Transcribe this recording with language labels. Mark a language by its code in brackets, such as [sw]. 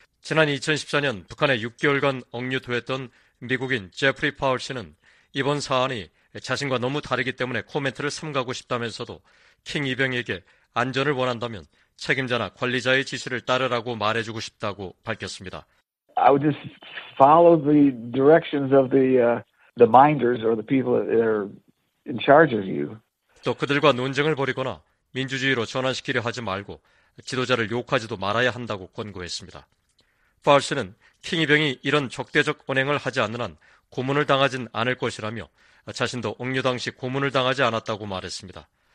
[ko] 지난 2014년 북한에 6개월간 억류됐던 미국인 제프리 파울 씨는 이번 사안이 자신과 너무 다르기 때문에 코멘트를 삼가고 싶다면서도 킹 이병에게 안전을 원한다면 책임자나 관리자의 지시를 따르라고 말해주고 싶다고 밝혔습니다. [en] I would just follow the directions of the minders or the people that are in charge of you. [ko] 또 그들과 논쟁을 벌이거나 민주주의로 전환시키려 하지 말고 지도자를 욕하지도 말아야 한다고 권고했습니다. 파울 씨는 킹 이병이 이런 적대적 언행을 하지 않는 한 고문을 당하진 않을 것이라며 자신도 억류 당시 고문을 당하지 않았다고 말했습니다.